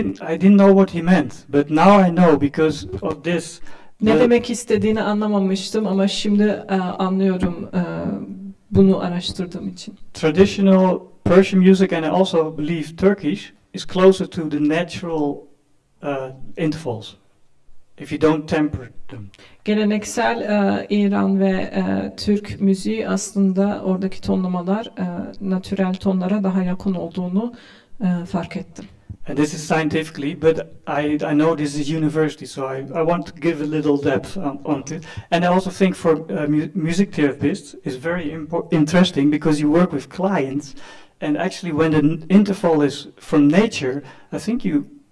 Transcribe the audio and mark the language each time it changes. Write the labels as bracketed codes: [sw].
[en] I didn't know what he meant, but now I know because of this. [tr] Ne demek istediğini anlamamıştım ama şimdi anlıyorum bunu araştırdığım için. [en] Traditional Persian music, and I also believe Turkish, is closer to the natural intervals if you don't temper them. [tr] Geleneksel İran ve Türk müziği aslında oradaki tonlamalar natürel tonlara daha yakın olduğunu fark ettim. [en] And this is scientifically, but I know this is university, so I want to give a little depth on it. And I also think for music therapists is very interesting because you work with clients, and actually when the interval is from nature, I think you